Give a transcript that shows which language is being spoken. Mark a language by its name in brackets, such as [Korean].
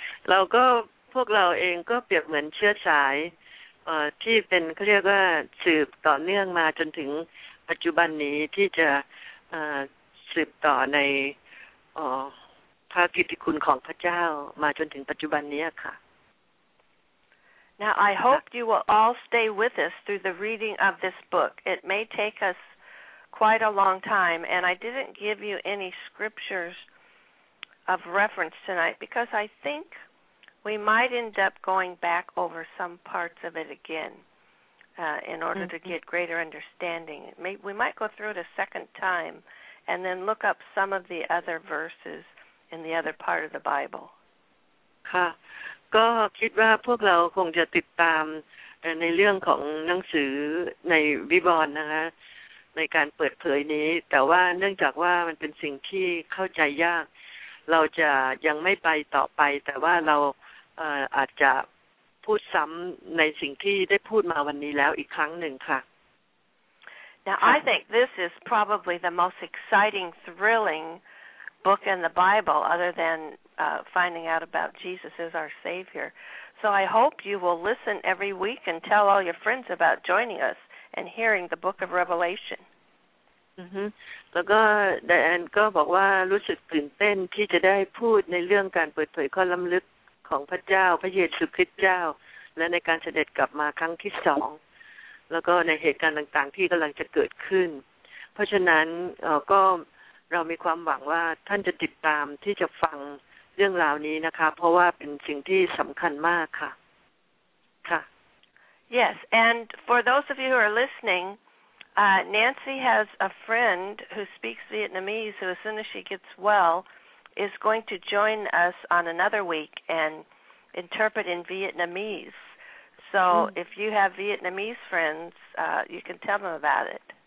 [Thai] เราก็พวกเราเองก็เปรียบเหมือนเชื้อสายที่เป็นเขาเรียกว่าสืบต่อเนื่องมาจนถึงปัจจุบันนี้ที่จะสืบต่อในพระกิตติคุณของพระเจ้ามาจนถึงปัจจุบันนี้ค่ะ [English] Now I hope you will all stay with us through the reading of this book. It may take us quite a long time, and I didn't give you any scriptures. Of reference tonight because I think we might end up going back over some parts of it again in order to get greater understanding. We might go through it a second time and then look up some of the other verses in the other part of the Bible. [Thai] ค่ะก็คิดว่าพวกเราคงจะติดตามในเรื่องของหนังสือในวิบวรณ์นะคะในการเปิดเผยนี้แต่ว่าเนื่องจากว่ามันเป็นสิ่งที่เข้าใจยากเราจะยังไม่ไปต่อไปแต่ว่าเราอาจจะพูดซ้ำในสิ่งที่ได้พูดมาวันนี้แล้วอีกครั้งหนึ่งค่ะ [English] Now I think this is probably the most exciting, thrilling book in the Bible other than finding out about Jesus as our Savior. So I hope you will listen every week and tell all your friends about joining us and hearing the book of Revelation. [Thai] Mm-hmm. แล้วก็ Diane ก็บอกว่ารู้สึกตื่นเต้นที่จะได้พูดในเรื่องการเปิดเผยข้อล้ำลึกของพระเจ้าพระเยซูคริสต์เจ้าและในการเสด็จกลับมาครั้งที่สองแล้วก็ในเหตุการณ์ต่างๆที่กำลังจะเกิดขึ้นเพราะฉะนั้นก็เรามีความหวังว่าท่านจะติดตามที่จะฟังเรื่องราวนี้นะคะเพราะว่าเป็นสิ่งที่สำคัญมากค่ะค่ะ [English] Yes and for those of you who are listeningNancy has a friend who speaks Vietnamese who, as soon as she gets well, is going to join us on another week and interpret in Vietnamese. So if you have Vietnamese friends, you can tell them about it.